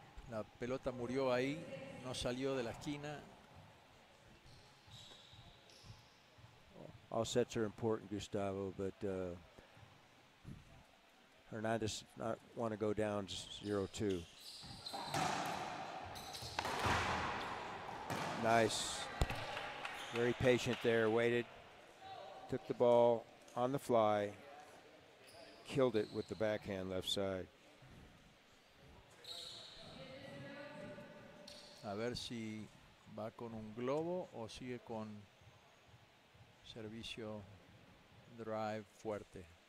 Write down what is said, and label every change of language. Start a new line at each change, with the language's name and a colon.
Spanish: La pelota murió ahí, no salió de la esquina.
English: All sets are important, Gustavo, but Hernandez not want to go down 0-2. Nice. Very patient there, waited, took the ball on the fly, killed it with the backhand left side.
Spanish: A ver si va con un globo o sigue con servicio drive fuerte.